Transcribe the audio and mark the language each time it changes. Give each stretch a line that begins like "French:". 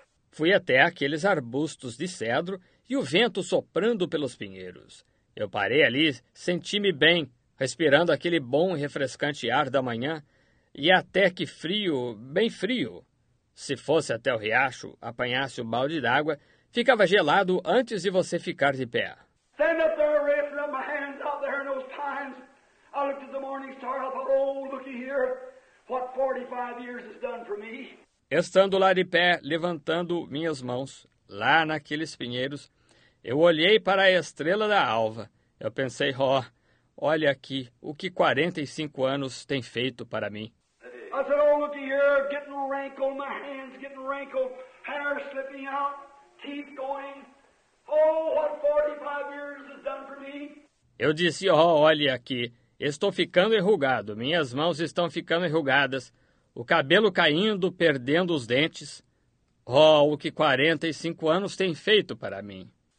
Portuguese: Fui até aqueles arbustos de cedro e o vento soprando pelos pinheiros. Eu parei ali, senti-me bem, respirando aquele bom e refrescante ar da manhã. E até que frio, bem frio. Se fosse até o riacho, apanhasse um balde d'água, ficava gelado antes de você ficar de pé.
English: Stand up there, raising up my hands out there in those pines. I looked at the morning star, I thought, oh, looky here. What 45 years has done for me.
Portuguese: Estando lá de pé, levantando minhas mãos, lá naqueles pinheiros, eu olhei para a estrela da alva. Eu pensei, ó, oh, olha aqui o que 45 anos tem feito para mim.
English: I said, oh, look here, getting wrinkled, my hands getting wrinkled, hair slipping out, teeth going. Oh, what 45 years has done for me.
Portuguese: Eu disse, ó, oh, olha aqui. Estou ficando enrugado, minhas mãos estão ficando enrugadas, o cabelo caindo, perdendo os dentes. Oh, o que 45 anos tem feito para mim.